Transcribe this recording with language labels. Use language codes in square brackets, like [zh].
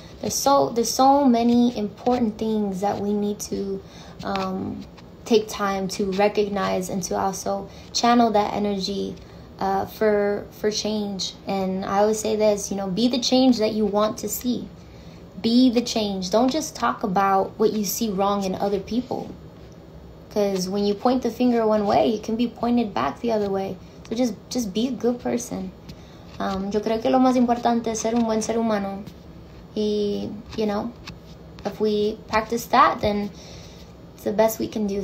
[en] So there's so many important things that we need to take time to recognize and to also channel that energy for change. And I always say this, you know, be the change that you want to see. Be the change. Don't just talk about what you see wrong in other people. Because when you point the finger one way, it can be pointed back the other way. So just be a good person. [es] Yo creo que lo más importante es ser un buen ser humano. [en] Y, you know, if we practice that, then it's the best we can do.